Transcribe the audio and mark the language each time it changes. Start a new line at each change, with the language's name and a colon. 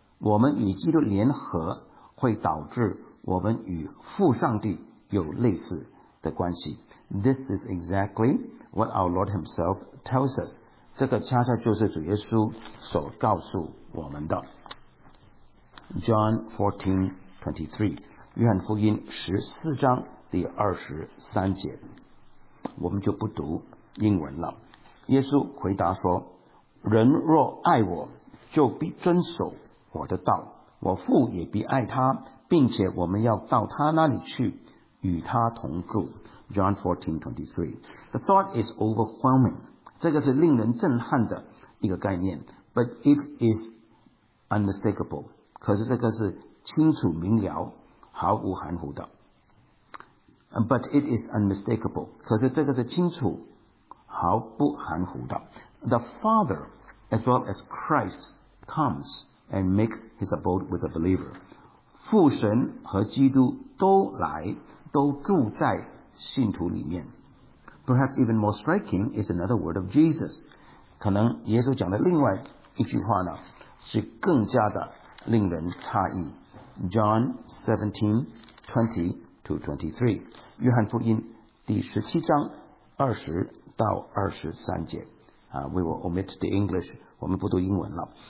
Chinese: 因此我们预期呢，我们与基督联合会导致 我们与父上帝有类似的关系.
English: This is exactly what our Lord himself tells us.
Chinese: 这个恰恰就是主耶稣所告诉我们的. John 14:23, 约翰福音14章第23节, 我们就不读英文了。耶稣回答说，人若爱我，就必遵守我的道。我父也必爱他, 并且我们要到他那里去, 与他同住。
English: John 14:23. The thought is overwhelming.
Chinese: 这个是令人震撼的一个概念,
English: but it is unmistakable.
Chinese: 可是这个是清楚明了毫无含糊的.
English: But it is unmistakable.
Chinese: 可是这个是清楚毫不含糊的.
English: The Father as well as Christ comes and makes his abode with the believer.
Chinese: 父神和基督都来,都住在信徒里面.
English: Perhaps even more striking is another word of Jesus.
Chinese: 可能耶稣讲的另外一句话呢, 是更加的令人诧异. John 17:20-23, 约翰福音第17章20到23节.
English: We will omit the English,
Chinese: 我们不读英文了.